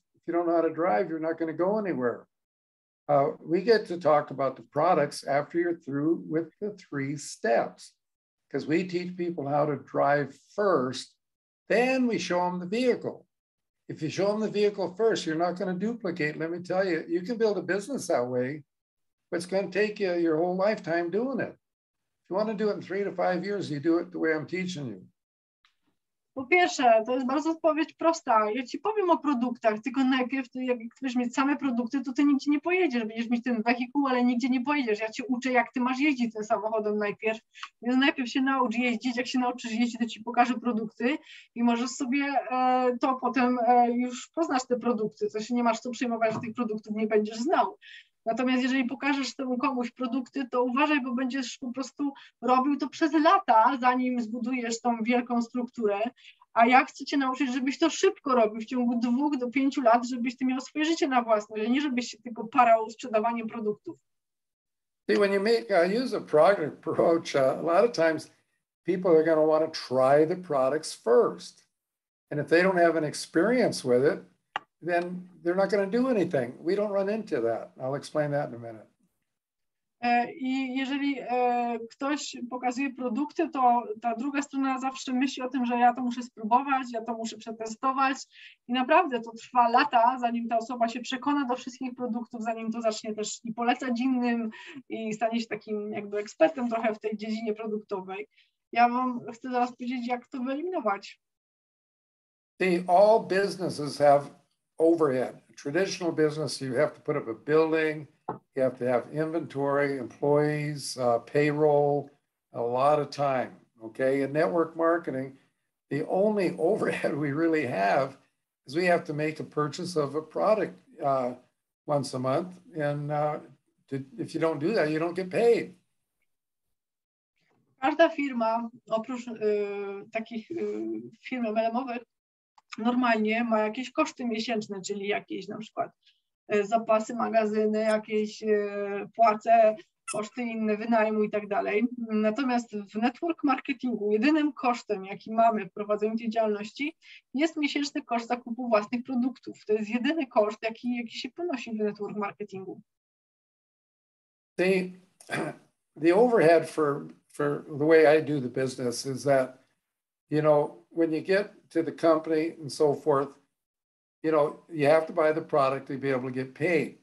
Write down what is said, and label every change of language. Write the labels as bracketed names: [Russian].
[English] If you don't know how to drive, you're not going to go anywhere. We get to talk about the products after you're through with the three steps, because we teach people how to drive first, then we show them the vehicle. If you show them the vehicle first, you're not going to duplicate. Let me tell you, you can build a business that way, but it's going to take you your whole lifetime doing it. If you want to do it in 3 to 5 years, you do it the way I'm teaching you. [Polish] Po pierwsze, to jest bardzo odpowiedź prosta. Ja ci powiem o produktach, tylko najpierw, jak chcesz mieć same produkty, to ty nigdzie nie pojedziesz. Będziesz mieć ten wehikuł, ale nigdzie nie pojedziesz. Ja cię uczę, jak ty masz jeździć tym samochodem najpierw. Więc najpierw się naucz jeździć. Jak się nauczysz jeździć, to ci pokażę produkty i możesz sobie to potem już poznasz te produkty. To się nie masz co przejmować, że tych produktów nie będziesz znał. Natomiast jeżeli pokażesz temu komuś produkty, to uważaj, bo będziesz po prostu robił to przez lata, zanim zbudujesz tą wielką strukturę. A ja chcę cię nauczyć, żebyś to szybko robił, w ciągu 2 do 5 lat, żebyś ty miał swoje życie na własność, a nie żebyś się tylko parał sprzedawaniem produktów. [English] See, when you make, use a product approach, a lot of times people are going to want to try the products first. And if they don't have an experience with it, then they're not going to do anything. We don't run into that. I'll explain that in a minute. [Polish] I jeżeli ktoś pokazuje produkty, to ta druga strona zawsze myśli o tym, że ja to muszę spróbować, ja to muszę przetestować. I naprawdę to trwa lata, zanim ta osoba się przekona do wszystkich produktów, zanim to zacznie też i polecać innym i stanie się takim jakby ekspertem trochę w tej dziedzinie produktowej. Ja wam chcę zaraz powiedzieć, jak to wyeliminować. [English] All businesses have overhead. Traditional business, you have to put up a building, you have to have inventory, employees, payroll, a lot of time. Okay. In network marketing, the only overhead we really have is we have to make a purchase of a product once a month. And if you don't do that, you don't get paid. [Polish] Każda firma, oprócz takich firm MLM-owych, normalnie ma jakieś koszty miesięczne, czyli jakieś na przykład zapasy, magazyny, jakieś płace, koszty inne, wynajmu i tak dalej. Natomiast w network marketingu jedynym kosztem, jaki mamy w prowadzeniu tej działalności, jest miesięczny koszt zakupu własnych produktów. To jest jedyny koszt, jaki się ponosi w network marketingu. [English] The overhead for the way I do the business is that, you know, when you get to the company and so forth, you know, you have to buy the product to be able to get paid.